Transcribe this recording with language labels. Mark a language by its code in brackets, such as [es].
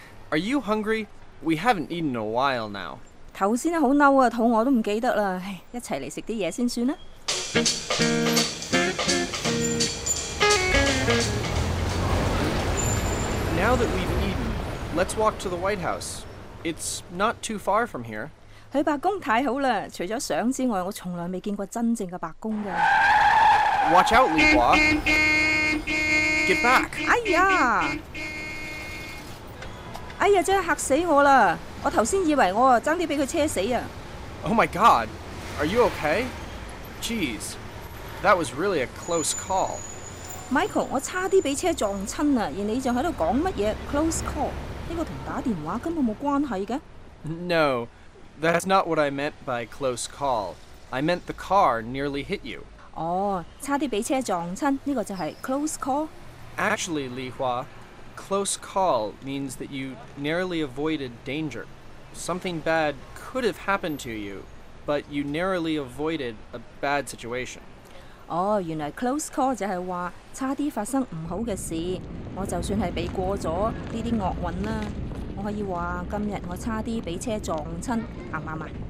[en] Are you hungry? We haven't eaten in a while now. [yue] 头先好嬲啊，肚饿都唔记得啦，一齐嚟食啲嘢先算啦。 [en] Now that we've eaten, let's walk to the White House. It's not too far from here. [yue] 去白宫太好啦，除咗相之外，我从来未见过真正嘅白宫噶。 [en] Watch out, Li Hua. Get back. 哎呀！ [yue] 哎呀，真系吓死我啦！我头先以为我争啲俾佢车死啊 [en] ！Oh my God, are you okay? Jeez, that was really a close call. [yue] Michael, 我差啲俾车撞亲啊！而你仲喺度讲乜嘢 close call？呢个同打电话根本冇关系嘅。 [en] No, that's not what I meant by close call. I meant the car nearly hit you. [yue] 哦，差啲俾车撞亲，呢个就系 close call。 [en] Actually, Li Hua, close call means that you narrowly avoided danger. Something bad could have happened to you, but you narrowly avoided a bad situation. [yue] Oh, 原来 close call 就系话差啲发生唔好嘅事。我就算系避过咗呢啲厄运啦，我可以话今日我差啲俾车撞亲，啱唔啱？